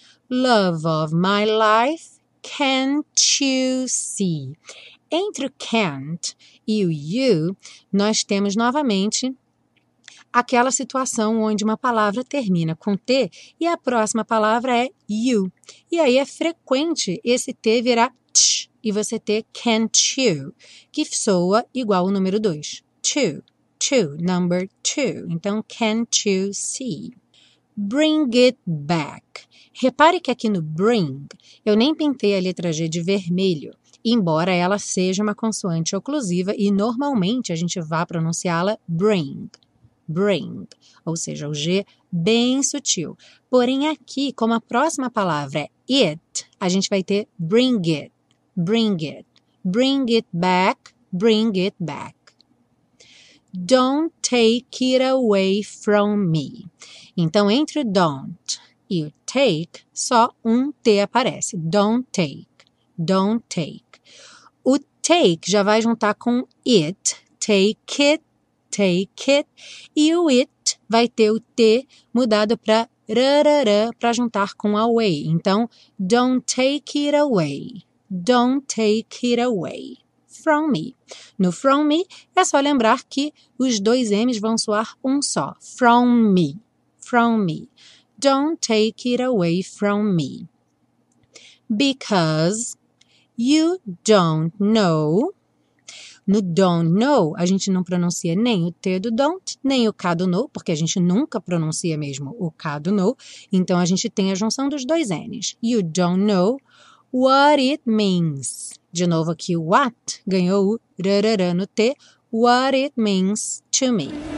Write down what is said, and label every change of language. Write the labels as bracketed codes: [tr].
[en] Love of my life, can't you see? [pt] Entre o can't e o you, nós temos novamente aquela situação onde uma palavra termina com T e a próxima palavra é you. E aí é frequente esse T virar tch e você ter can't you, que soa igual o número 2. Two, number two. Então, can't you see? [en] Bring it back. [pt] Repare que aqui no bring, eu nem pintei a letra G de vermelho, embora ela seja uma consoante oclusiva e normalmente a gente vá pronunciá-la bring. Bring, ou seja, o G bem sutil. Porém, aqui, como a próxima palavra é it, a gente vai ter [en] bring it, bring it, bring it back, bring it back. Don't take it away from me. [pt] Então, entre o don't e o take, só um T aparece. [en] Don't take, don't take. [pt] O take já vai juntar com it, take it, take it, e o it vai ter o T mudado para rarará para juntar com away. Então, [en] don't take it away, don't take it away from me. [pt] No from me, é só lembrar que os dois M's vão soar um só, [en] from me, don't take it away from me. Because you don't know. [pt] No don't know, a gente não pronuncia nem o T do don't, nem o K do know, porque a gente nunca pronuncia mesmo o K do know. Então, a gente tem a junção dos dois N's. [en] You don't know what it means. [pt] De novo aqui, what ganhou o rarará no T. [en] What it means to me.